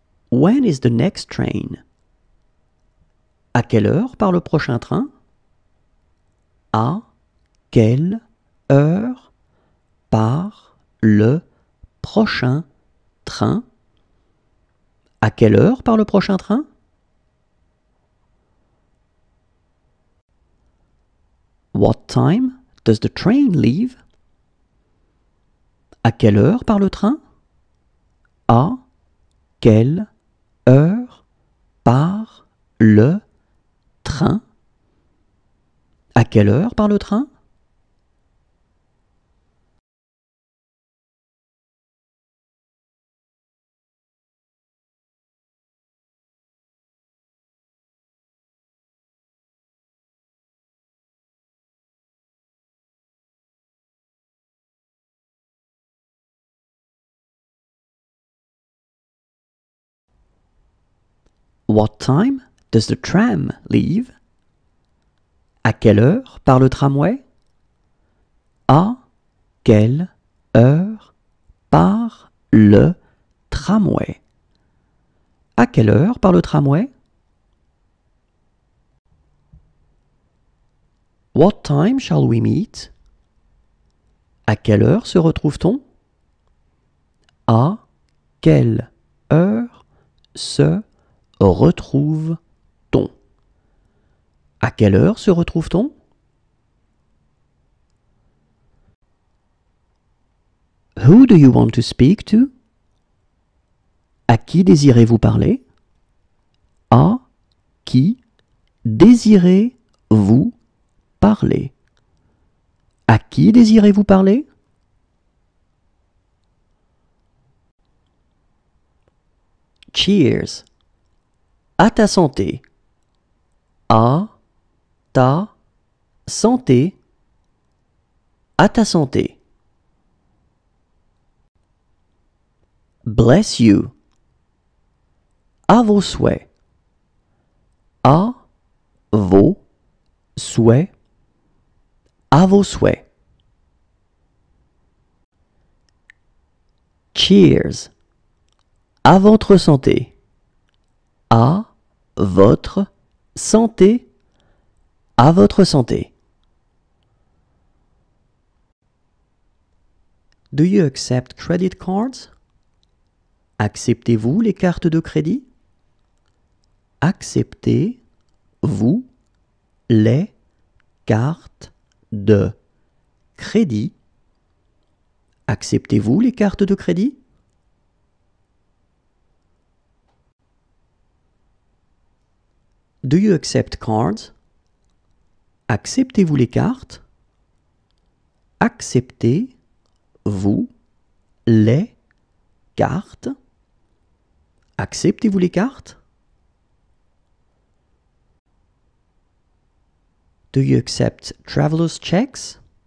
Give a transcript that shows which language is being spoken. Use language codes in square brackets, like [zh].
[en] When is the next train? [fr] À quelle heure part le prochain train? À quelle heure part le prochain train? À quelle heure part le prochain train? [en] What time does the train leave? [fr] À quelle heure part le train? À quelle heure part le train? À quelle heure part le train? [en] What time does the tram leave? [fr] À quelle heure part le tramway? À quelle heure part le tramway? À quelle heure part le tramway? [en] What time shall we meet? [fr] À quelle heure se retrouve-t-on? À quelle heure se retrouve-t-on? À quelle heure se retrouve-t-on? [en] Who do you want to speak to? [fr] À qui désirez-vous parler? À qui désirez-vous parler? À qui désirez-vous parler? [en] Cheers! [fr] À ta santé. À ta santé. À ta santé. [en] Bless you. [fr] À vos souhaits. À vos souhaits. À vos souhaits. [en] Cheers. [fr] À votre santé. À votre santé. À votre santé. [en] Do you accept credit cards? [fr] Acceptez-vous les cartes de crédit? Acceptez-vous les cartes de crédit? Acceptez-vous les cartes de crédit? [en] Do you accept cards? [fr] Acceptez-vous les cartes? Acceptez-vous les cartes? Acceptez-vous les cartes? [en] Do you accept traveler's checks?